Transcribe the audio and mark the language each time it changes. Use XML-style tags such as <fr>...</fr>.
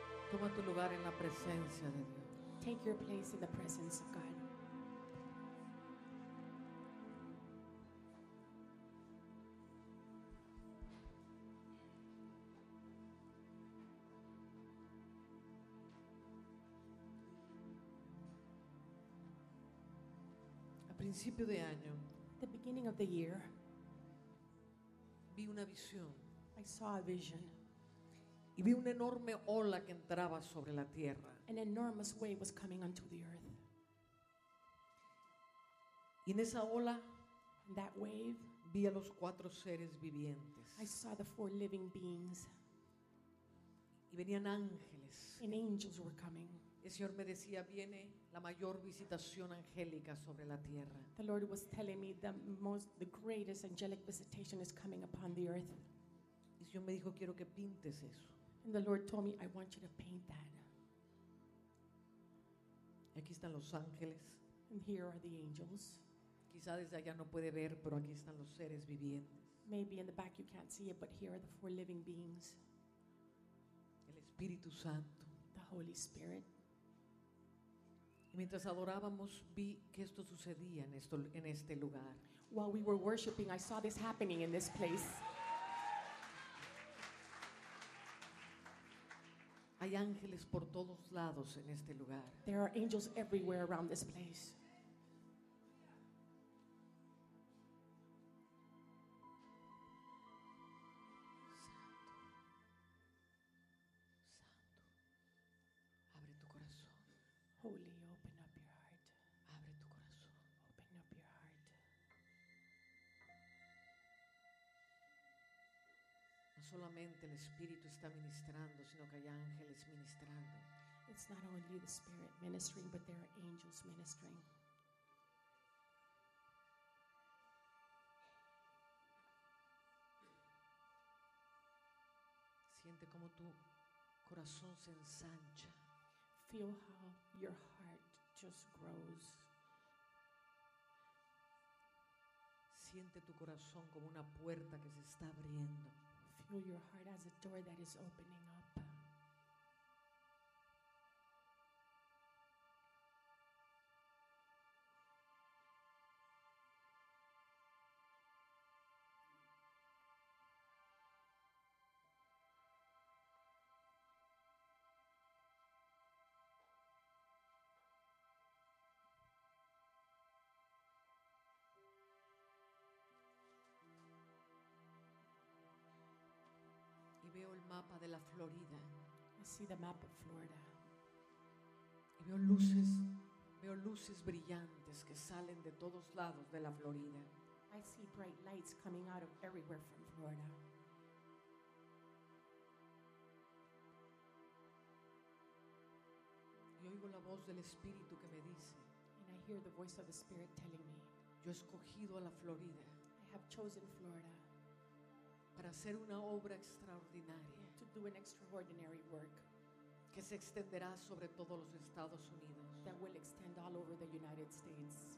<es>Toma tu lugar en la presencia de Dios.</es> <en>Take your place in the presence of God.</en> <es>A principio de año,</es> <en>the beginning of the year,</en> <es>vi una visión.</es> <en>I saw a vision.</en> <es>Y vi una enorme ola que entraba sobre la tierra.</es> <en>An enormous wave was coming onto the earth.</en> <es>Y en esa ola,</es> <en>that wave,</en> <es>vi a los cuatro seres vivientes.</es> <en>I saw the four living beings.</en> <es>Y venían ángeles.</es> <en>And angels were coming.</en> <es>El Señor me decía, viene la mayor visitación angélica sobre la tierra.</es> <en>The Lord was telling me the greatest angelic visitation is coming upon the earth.</en> <es>Y el Señor me dijo, quiero que pintes eso.</es> <en>And the Lord told me, I want you to paint that.</en> <es>Aquí están los ángeles.</es> <en>And here are the angels.</en> <es>Quizá desde allá no puede ver, pero aquí están los seres vivientes.</es> <en>Maybe in the back you can't see it, but here are the four living beings.</en> <es>El Espíritu Santo.</es> <en>The Holy Spirit.</en> <es>Y mientras adorábamos, vi que esto sucedía en este lugar.</es> <en>While we were worshiping, I saw this happening in this place.</en> <es>Hay ángeles por todos lados en este lugar.</es> <en>There are angels everywhere around this place.</en> <es>Santo. Santo. Abre tu corazón.</es> <en>Holy, open up your heart.</en> <es>Abre tu corazón.</es> <en>Open up your heart.</en> <es>No solamente el Espíritu está ministrando, sino que hay ángeles.</es> <en>It's not only the Spirit ministering, but there are angels ministering.</en> <es>Siente como tu corazón se ensancha.</es> <en>Feel how your heart just grows.</en> <es>Siente tu corazón como una puerta que se está abriendo.</es> <en>Feel your heart as a door that is opening up. Thank you.</en> <es>mapa de la Florida.</es> <en>I see the map of Florida.</en> <es>Y veo luces brillantes que salen de todos lados de la Florida.</es> <en>I see bright lights coming out of everywhere from Florida.</en> <es>Y oigo la voz del Espíritu que me dice.</es> <en>And I hear the voice of the Spirit telling me.</en> <es>Yo he escogido a la Florida.</es> <en>I have chosen Florida.</en> <es>Para hacer una obra extraordinaria.</es> <en>To do an extraordinary work.</en> <es>Que se extenderá sobre todos los Estados Unidos.</es> <en>That will extend all over the United States.</en>